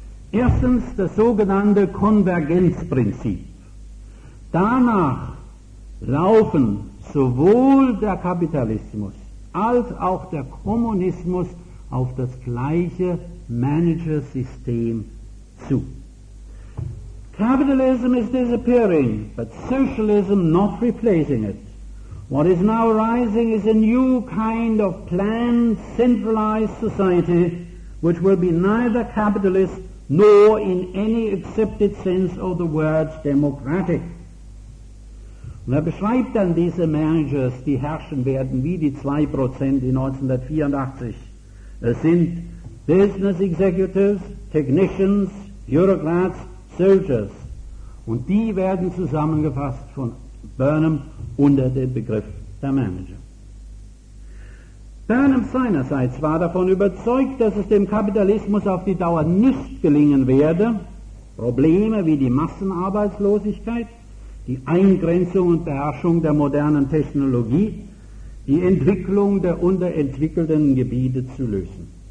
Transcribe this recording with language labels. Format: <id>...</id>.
<de>Erstens das sogenannte Konvergenzprinzip. Danach laufen sowohl der Kapitalismus als auch der Kommunismus auf das gleiche Manager-System zu.</de> <en>Capitalism is disappearing, but socialism not replacing it. What is now arising is a new kind of planned, centralized society which will be neither capitalist nor in any accepted sense of the words democratic.</en> <de>Und beschreibt dann diese Managers, die herrschen werden, wie die 2% in 1984 sind.</de> <en>Business Executives, Technicians, Bureaucrats, Soldiers.</en> <de>Und die werden zusammengefasst von Burnham unter dem Begriff der Manager. Burnham seinerseits war davon überzeugt, dass es dem Kapitalismus auf die Dauer nicht gelingen werde, Probleme wie die Massenarbeitslosigkeit, die Eingrenzung und Beherrschung der modernen Technologie, die Entwicklung der unterentwickelten Gebiete zu lösen.</de>